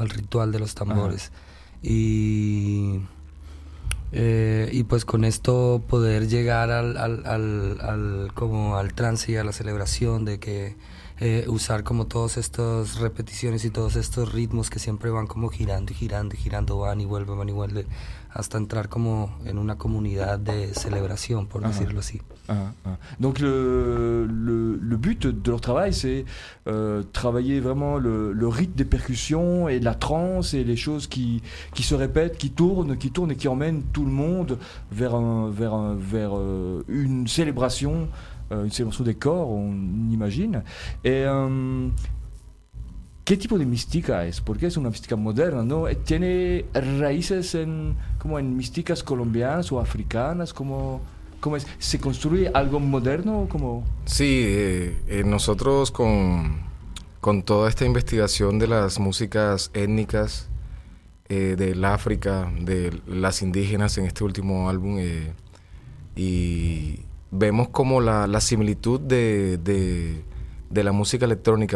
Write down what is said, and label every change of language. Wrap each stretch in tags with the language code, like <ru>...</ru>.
<es>Al ritual de los tambores. Ajá. Y pues con esto poder llegar al trance y a la celebración de que... usar como todas estas repeticiones y todos estos ritmos que siempre van como girando y girando y girando, van y vuelven, hasta entrar como en una comunidad de celebración, por decirlo así.</es> <fr>Donc le but de leur travail, c'est travailler vraiment le rythme des percussions et la transe et les choses qui se répètent, qui tournent et qui emmènent tout le monde vers une célébration. Une célébration des corps, on imagine. Et quel type de mystique est-ce? Pourquoi est-ce une mystique moderne, non?</fr> <es>Tiene raíces en místicas colombianas o africanas? ¿Cómo es? ¿Se construye algo moderno? ¿Cómo? Sí, nosotros con toda esta investigación de las músicas étnicas del África, de las indígenas en este último álbum, y vemos como la similitud de la música electrónica.</es>